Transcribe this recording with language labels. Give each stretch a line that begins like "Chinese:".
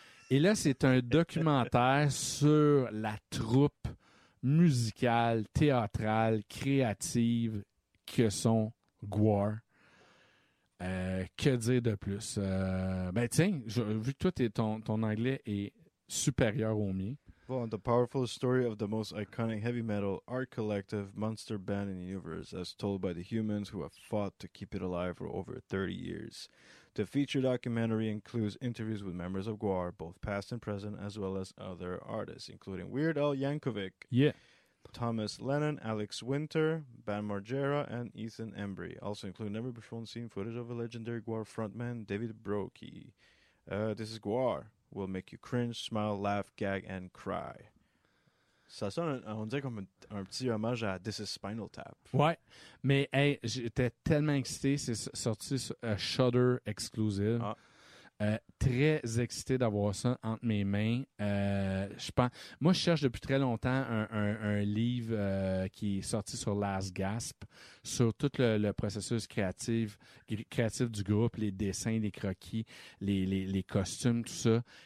French: Et là, c'est un documentaire sur la troupe musicale, théâtrale, créative que sont Gwar. Que dire de plus? Ben tiens, vu que toi, ton anglais est supérieur au mien.
English: Well, the powerful story of the most iconic heavy metal art collective monster band in the universe as told by the humans who have fought to keep it alive for over 30 years. The feature documentary includes interviews with members of Gwar, both past and present, as well as other artists, including Weird Al Yankovic, Thomas Lennon, Alex Winter, Ben Margera, and Ethan Embry. Also include never before seen footage of a legendary Gwar frontman, David Brokey. This is Gwar. Will make you cringe, smile, laugh, gag, and cry.
French: Ça sonne, on dirait comme un petit hommage à This is Spinal Tap. Ouais, mais hey, j'étais tellement excité, c'est sorti sur Shudder Exclusive. Ah. Très excité d'avoir ça entre mes mains. Moi, je cherche depuis très longtemps un livre qui est sorti sur Last Gasp, sur tout le processus créatif du groupe, les dessins, les croquis, les costumes, tout ça.